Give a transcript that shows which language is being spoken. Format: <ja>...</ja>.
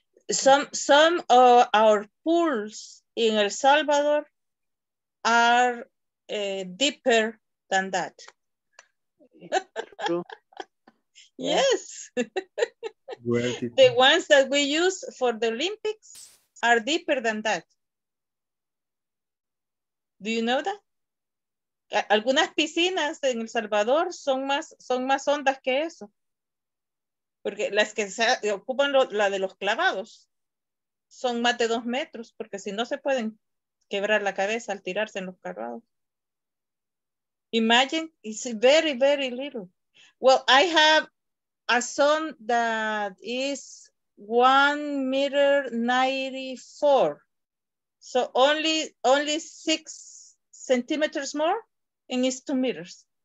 <en>Some of our pools in El Salvador are deeper than that. True. Yes. The ones that we use for the Olympics are deeper than that. Do you know that?</en> <es>Algunas piscinas en El Salvador son más hondas que eso. Porque las que se ocupan la de los clavados son más de 2 metros, porque si no se pueden quebrar la cabeza al tirarse en los clavados.</es> <en>Imagine, it's very, very little. Well, I have a son that is 1.94 meters. So only 6 centimeters more and it's 2 meters.</en>